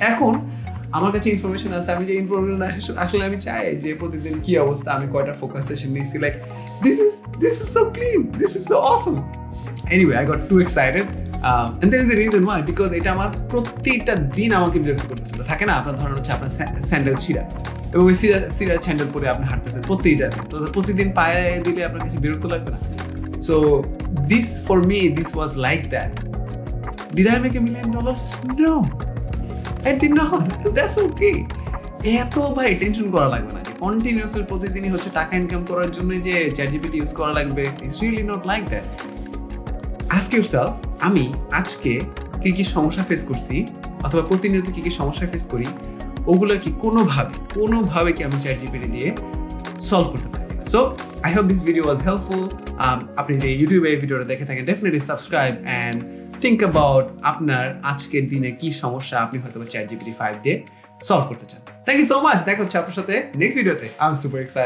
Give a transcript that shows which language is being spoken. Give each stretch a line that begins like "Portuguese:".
Bangla: এখন আমার কাছে ইনফরমেশন আছে, আমি যে ইনফরমেশন আসলে আমি চাই যে প্রতিদিন কি অবস্থা, আমি কয়টা ফোকাস সেশন নিয়েছি,
English: Like this is so clean, this is so awesome. Anyway, I got too excited, and that is a reason why, because
Bangla: এটা আমার প্রত্যেকটা দিন আমাকে বিরক্ত করতেছিল। থাকে না আপনার ধরনের হচ্ছে আপনার স্যান্ডেল ছিঁড়া, এবং ওই সিরা সিরা স্যান্ডেল পরে আপনি হাঁটতেছেন প্রত্যেকটা, তো প্রতিদিন পায়ে দিলে আপনার কাছে বিরক্ত লাগবে না।
English: So this for me, this was like that. Did I make $1 million? No, I did not. That's okay.
Bangla: এত ভাই টেনশন করা লাগবে না, কন্টিনিউসলি প্রতিদিনই হচ্ছে টাকা ইনকাম করার জন্য যে চ্যাটজিপিটি ইউজ করা লাগবে,
English: It's really not like that. Ask yourself,
Bangla: আমি আজকে কী কী সমস্যা ফেস করছি অথবা প্রতিনিয়ত কী কী সমস্যা ফেস করি, ওগুলো কি কোনোভাবে কি আমি চ্যাটজিপিটি দিয়ে সলভ করতে পারি?
English: So, I hope this video was helpful.
Bangla: আপনি যদি ইউটিউবে এই ভিডিওটা দেখে থাকেন, definitely
English: subscribe and think about
Bangla: আপনার আজকের দিনে কী সমস্যা আপনি হয়তো ChatGPT 5 দিয়ে সলভ করতে চান।
English: thank you so much,
Bangla: দেখা হচ্ছে আপনার সাথে নেক্সট ভিডিওতে।
English: I am super excited.